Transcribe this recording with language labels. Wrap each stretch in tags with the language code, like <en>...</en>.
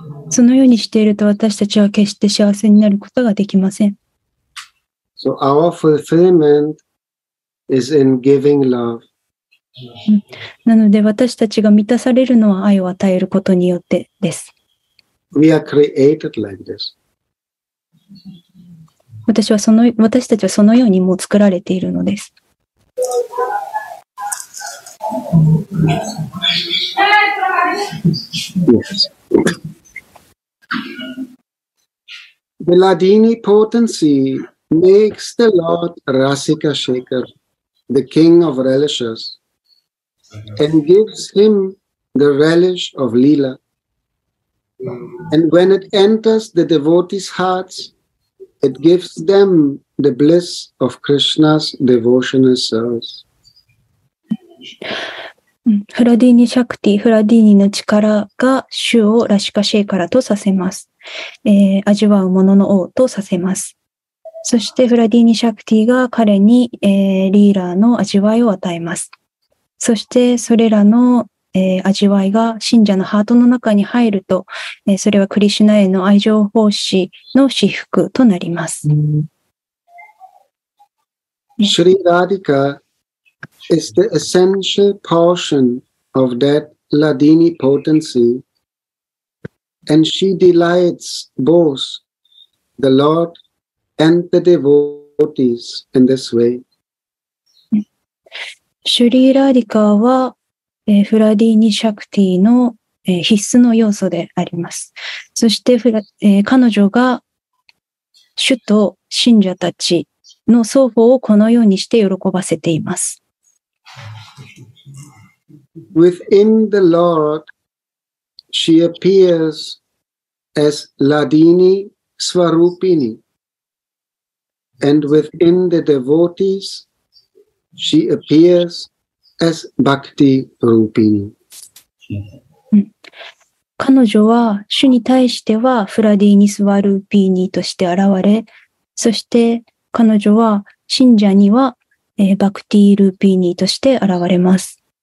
<ja>そのようにしていると私たちは決して幸せになることができません。</ja> <en>So our fulfillment is in giving love.</en> <ja>なので私たちが満たされるのは愛を与えることによってです。</ja> <en>We are created like this.</en> <ja>私たちはそのようにもう作られているのです。</ja> <en>Yes. The Ladini potency makes the Lord Rasika Shekhar, the king of relishers, and gives him the relish of Leela. And when it enters the devotees' hearts, it gives them the bliss of Krishna's devotional service.</en> <ja>フラディーニ・シャクティ、フラディーニの力が主をラシカ・シェイカラとさせます。味わう者の王とさせます。そしてフラディーニ・シャクティが彼に、リーラーの味わいを与えます。そしてそれらの味わいが信者のハートの中に入ると、それはクリシュナへの愛情奉仕の至福となります。</ja> <en>シュリ・ラディカ is the essential portion of that Ladini potency, and she delights both the Lord and the devotees in this way.</en> <ja>シュリー・ラディカーは、フラディーニ・シャクティの、必須の要素であります。そしてフラ、彼女が主と信者たちの双方をこのようにして喜ばせています。</ja> <en>Within the Lord, she appears as Ladini Swarupini, and within the devotees,She appears as Bhakti Rupini.</en> <ja>彼女は主に対してはフラディニスワルーピーニーとして現れ、そして彼女は信者には、バクティールーピーニーとして現れます。</ja>